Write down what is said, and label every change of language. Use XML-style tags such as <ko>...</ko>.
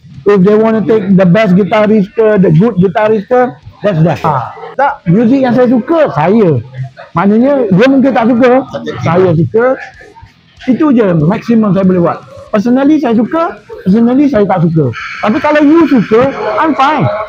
<en>If they want to take the best guitarist ke, the good guitarist ke, that's that.</en> <ms>Ha. Tak, music yang saya suka, saya. Maknanya, dia mungkin tak suka, saya suka. Itu je maksimum saya boleh buat. Personally saya tak suka. Tapi kalau you suka,</ms> <en>I'm fine.</en>